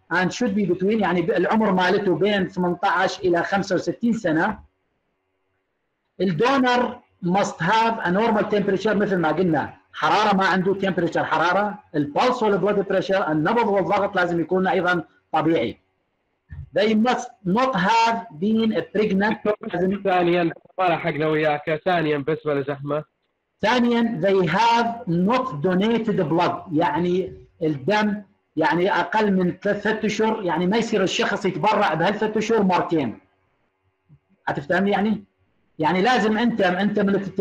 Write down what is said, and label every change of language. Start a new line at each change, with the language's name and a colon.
English: And should be between،
Arabic: يعني العمر مالته بين 18 الى 65 سنه. الدونر
English: must have a normal temperature،
Arabic: مثل ما قلنا حراره ما عنده، temperature حراره، البلس والبلد بريشر، النبض والضغط لازم يكون ايضا طبيعي.
English: They must not have been pregnant.
Arabic: ثانيا الحق لو وياك، ثانيا بس بلا زحمه. ثانيا
English: they have not donated blood،
Arabic: يعني الدم يعني اقل من 3 اشهر، يعني ما يصير الشخص يتبرع بهالثلاث اشهر مرتين. هتفتهمني يعني؟ يعني لازم انت من